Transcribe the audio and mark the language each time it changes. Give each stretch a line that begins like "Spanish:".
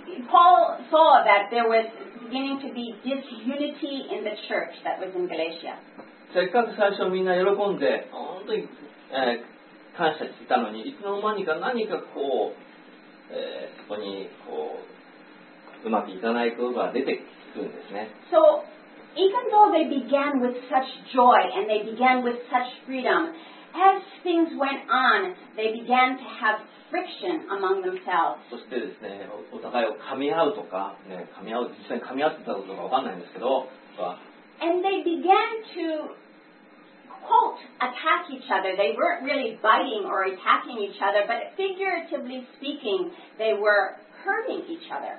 English: Paul saw that there was beginning to be disunity in the church that was in Galatia.
Japanese: せっかく最初みんな喜んで本当に、感謝していたのに、いつの間にか何かこう、そこにこううまくいかないことが出てくるんですね。
English: So even though they began with such joy and they began with such freedom, as things went on, they began to have friction among themselves.
Japanese: そしてですね、お互いを噛み合うとか、ね、噛み合う、実際に噛み合ってたことがわかんないんですけど、
English: And they began to quote attack each other. They weren't really biting or attacking each other, but figuratively speaking, they were hurting each other.